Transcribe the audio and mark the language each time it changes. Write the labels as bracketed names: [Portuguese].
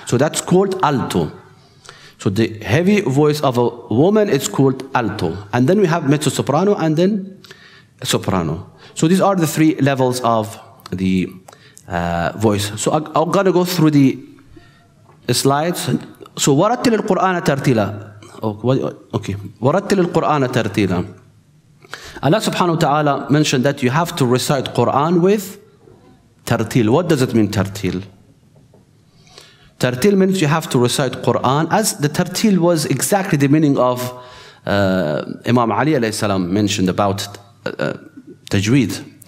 [English] So that's called alto. So the heavy voice of a woman is called alto. And then we have mezzo soprano and then soprano. So these are the three levels of the voice. So I'm going to go through the slides. [Arabic] So وَرَتِّلِ الْقُرْآنَ تَرْتِيلًا. Okay. وَرَتِّلِ الْقُرْآنَ تَرْتِيلًا. [English] Allah subhanahu wa ta'ala mentioned that you have to recite Quran with tartil. What does it mean, tartil? Tartil means you have to recite Quran, as the tartil was exactly the meaning of Imam Ali alayhi salam mentioned about Tajwīd.